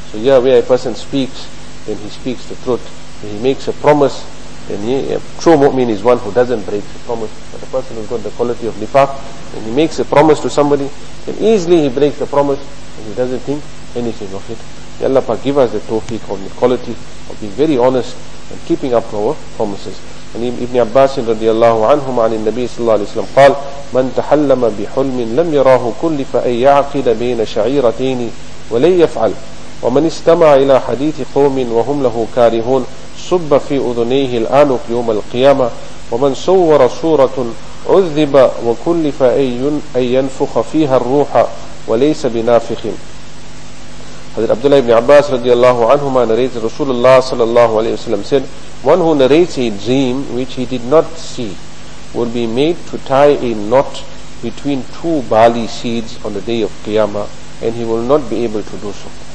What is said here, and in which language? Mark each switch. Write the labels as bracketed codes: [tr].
[en] So here, where a person speaks, then he speaks the truth. When he makes a promise, then a true mu'min is one who doesn't break the promise. But a person who's got the quality of nifaq, and he makes a promise to somebody, then easily he breaks the promise and he doesn't think anything of it. May Allah Pak give us the tawfiq of the quality of being very honest and keeping up our promises. And Ibn Abbas [ar] رضي الله عنهما عن النبي صلى الله عليه وسلم قال: من تحلم بحلم لم يراه كلف أن يعقد بين شعيرتين ولن يفعل، ومن استمع إلى حديث قوم وهم له كارهون صب في أذنيه الآنق يوم القيامة، ومن صور صورة عذب وكلف أن ينفخ فيها الروح وليس بنافخ. حضرت عبد الله بن عباس رضي الله عنهما نريد رسول الله صلى الله عليه وسلم [en] said: One who narrates a dream which he did not see will be made to tie a knot between two barley seeds on the day of Qiyamah, and he will not be able to do so.